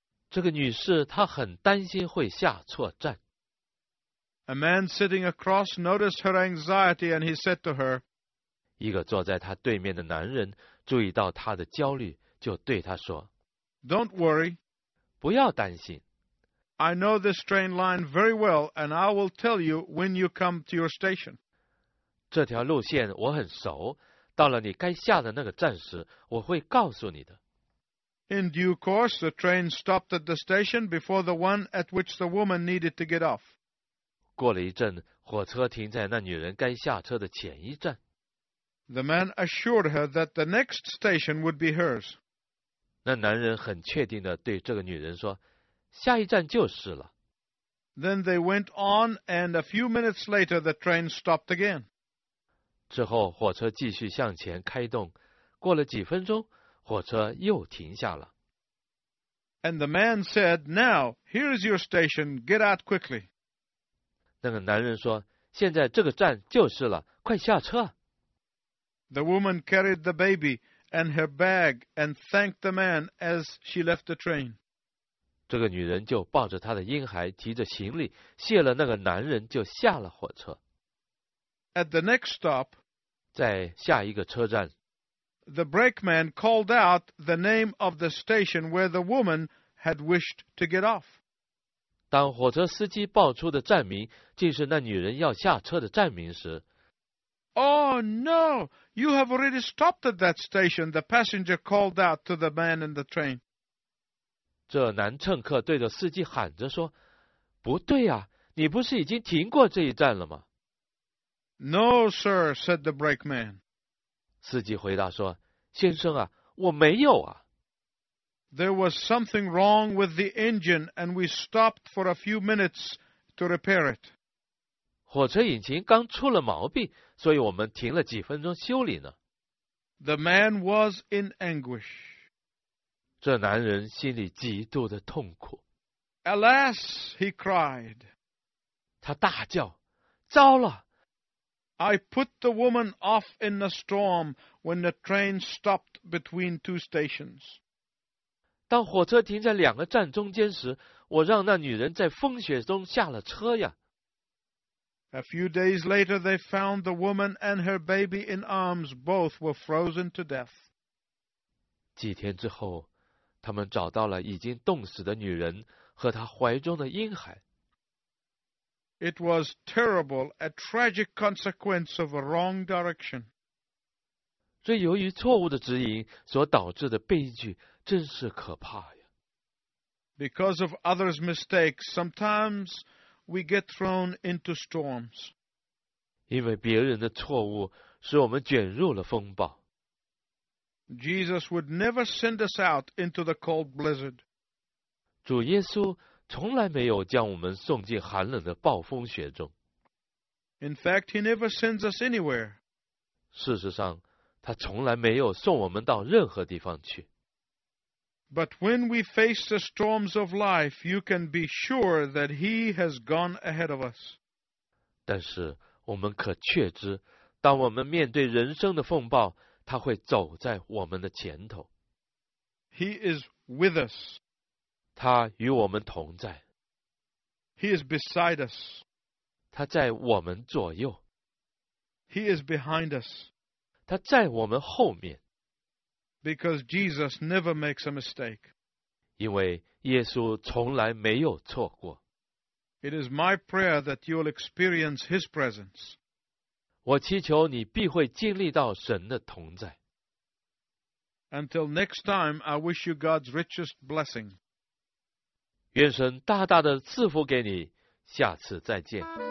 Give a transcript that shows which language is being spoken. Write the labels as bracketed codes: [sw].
[zh] 这个女士她很担心会下错站。 [en] A man sitting across noticed her anxiety and he said to her, [zh] 一个坐在她对面的男人注意到她的焦虑，就对她说， [en] Don't worry. [zh] 不要担心。 [en] I know this train line very well and I will tell you when you come to your station. [zh] 这条路线我很熟，到了你该下的那个站时，我会告诉你的。 [en] In due course, the train stopped at the station before the one at which the woman needed to get off. [zh] 过了一阵，火车停在那女人该下车的前一站。 [en] The man assured her that the next station would be hers. [zh] 那男人很确定地对这个女人说，下一站就是了。 [en] Then they went on, and a few minutes later, the train stopped again. [zh] 之后，火车继续向前开动，过了几分钟，火车又停下了。 [en] And the man said, Now, here is your station, get out quickly. [zh] 那个男人说，现在这个站就是了，快下车。 [en] The woman carried the baby and her bag and thanked the man as she left the train. [zh] 这个女人就抱着她的婴孩，提着行李，谢了那个男人，就下了火车。 [en] At the next stop, [zh] 在下一个车站， [en] The brakeman called out the name of the station where the woman had wished to get off. [zh] 当火车司机报出的站名，竟是那女人要下车的站名时， [en] Oh, no, you have already stopped at that station, the passenger called out to the man in the train. [zh] 这男乘客对着司机喊着说，不对啊，你不是已经停过这一站了吗？ [en] No, sir, said the brakeman. [zh] 司机回答说，先生啊，我没有啊。 [en] There was something wrong with the engine, and we stopped for a few minutes to repair it. [zh] 火车引擎刚出了毛病，所以我们停了几分钟修理呢。 [en] The man was in anguish. [zh] 这男人心里极度的痛苦。 [en] Alas, he cried. [zh] 他大叫，糟了。 [en] I put the woman off in a storm when the train stopped between two stations. [zh] 当火车停在两个站中间时，我让那女人在风雪中下了车呀。 [en] A few days later, they found the woman and her baby in arms both were frozen to death. [zh] 几天之后，他们找到了已经冻死的女人和她怀中的婴孩。 [en] It was terrible, a tragic consequence of a wrong direction. [zh] 这由于错误的指引所导致的悲剧真是可怕呀。 [en] Because of others' mistakes, sometimes we get thrown into storms. [zh] 因为别人的错误使我们卷入了风暴。 [en] Jesus would never send us out into the cold blizzard. [zh] 主耶稣从来没有将我们送进寒冷的暴风雪中。 [en] In fact, he never sends us anywhere. [zh] 事实上，他从来没有送我们到任何地方去。 [en] But when we face the storms of life, you can be sure that he has gone ahead of us. [zh] 但是我们可确知，当我们面对人生的风暴，他会走在我们的前头。 [en] He is with us. [zh] 他与我们同在。 [en] He is beside us. [zh] 他在我们左右。 [en] He is behind us. [zh] 他在我们后面。 [en] Because Jesus never makes a mistake. [zh] 因为耶稣从来没有错过。 [en] It is my prayer that you'll experience His presence. [zh] 我祈求你必会经历到神的同在。 [en] Until next time, I wish you God's richest blessing. [zh] 愿神大大的赐福给你，下次再见。